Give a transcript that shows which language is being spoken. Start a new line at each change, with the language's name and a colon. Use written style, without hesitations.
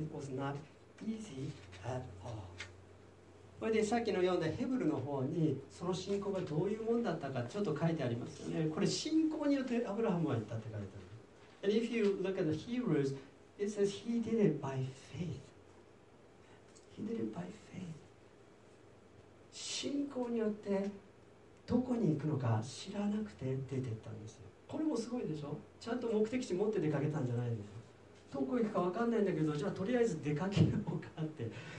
English: It was not easy at all.
Japanese: これでさっきの読んだヘブルの方にその信仰がどういうもんだったかちょっと書いてありますよね。これ信仰によってアブラハムは言ったって書いてある。
English: And if you look at the Hebrews,It says he did it by faith. He did it by faith.
Japanese: 信仰によってどこに行くのか知らなくて出てったんですよ。これもすごいでしょ。ちゃんと目的地持って出かけたんじゃないんですよ。どこ行くか分かんないんだけど、じゃあとりあえず出かけようかって。